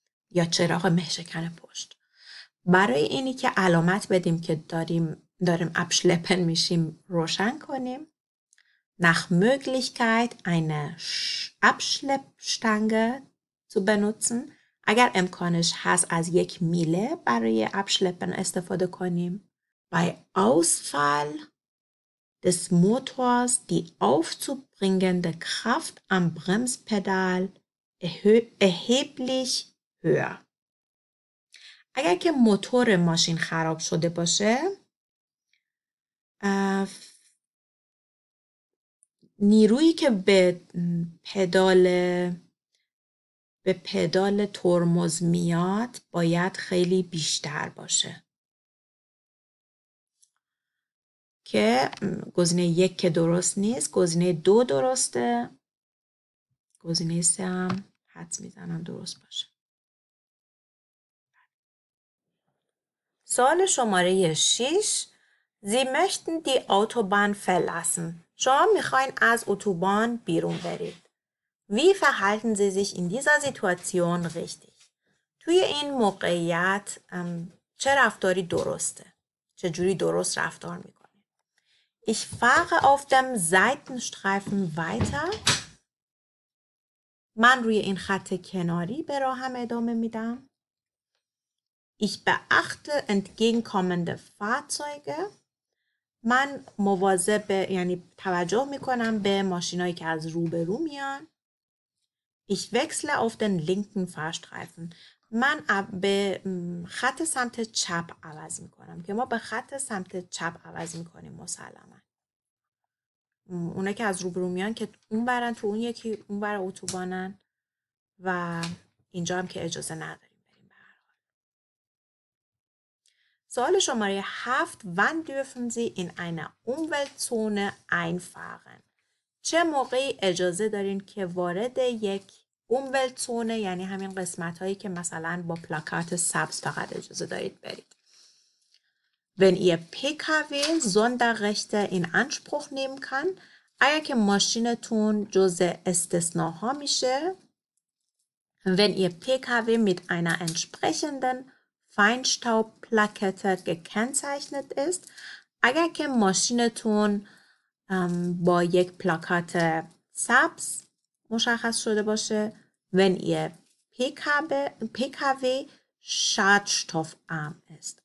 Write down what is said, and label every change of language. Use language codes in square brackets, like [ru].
[fa] یا چراغ مهشکن پشت برای اینی که علامت بدیم که داریم ابشلپن میشیم روشن کنیم [de] Nach Möglichkeit eine Abschleppstange zu benutzen. [fa] اگر امکانش هست از یک میله برای ابشلپن استفاده کنیم. [de] Bei Ausfall des Motors die aufzubringende Kraft am Bremspedal erheblich höher. [fa] اگر که موتور ماشین خراب شده باشه نیرویی که به پدال ترمز میاد باید خیلی بیشتر باشه که گزینه یک که درست نیست گزینه دو درسته گزینه سه هم حد میزنم درست باشه سوال شماره 6 [de] Sie möchten die Autobahn verlassen. [fa] شما میخواین از اتوبان بیرون برید. [de] Wie verhalten Sie sich in dieser Situation richtig? [fa] توی این موقعیت چه رفتاری درسته؟ چه جوری درست رفتار میکنید؟ [de] Ich fahre auf dem Seitenstreifen weiter. [fa] من روی این خط کناری به راهم ادامه میدم. [de] Ich beachte entgegenkommende Fahrzeuge. [fa] من مواظب یعنی توجه میکنم به ماشینایی که از روبرو میان. [de] Ich wechsle auf den linken Fahrstreifen. [fa] من به خط سمت چپ عوض میکنم. که ما به خط سمت چپ عوض میکنیم مسلما. اونا که از روبرو میان که اون برن تو اون یکی اون بر اتوبانن و اینجا هم که اجازه نداره. سوال شماره 7 [de] Wann dürfen Sie in eine Umweltzone einfahren? [fa] چه موقعی اجازه دارین که وارد یک Umweltzone یعنی همین قسمت هایی که مثلا با پلاکات سبز فقط اجازه دارید برید. [de] Wenn Ihr PKW Sonderrechte in Anspruch nehmen kann, [fa] اگر که ماشینتون جزء استثناها میشه. [de] Wenn Ihr PKW mit einer entsprechenden Feinstaubplakette gekennzeichnet ist, [fa] اگر که ماشینتون با یک پلاکات سبز مشخص شده باشه [de] wenn ihr PKW schadstoffarm ist.